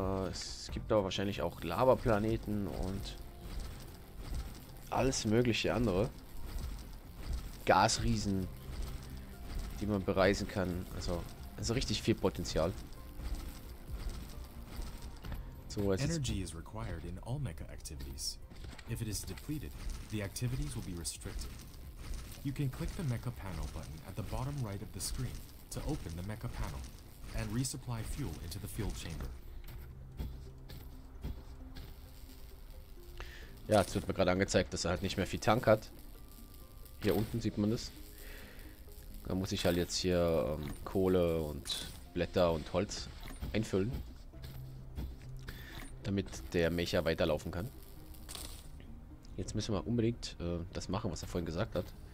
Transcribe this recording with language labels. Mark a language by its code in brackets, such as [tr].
[de] Es gibt aber wahrscheinlich auch Lava-Planeten und... alles mögliche andere Gasriesen, die man bereisen kann, also richtig viel Potenzial. [en] So, energy is required in all mecha activities. If it is depleted, the activities will be restricted. You can click the mecha panel button at the bottom right of the screen to open the mecha panel and resupply fuel into the fuel chamber. [de] Ja, jetzt wird mir gerade angezeigt, dass er halt nicht mehr viel Tank hat. Hier unten sieht man das. Da muss ich halt jetzt hier Kohle und Blätter und Holz einfüllen. Damit der Mecha weiterlaufen kann. Jetzt müssen wir unbedingt das machen, was er vorhin gesagt hat.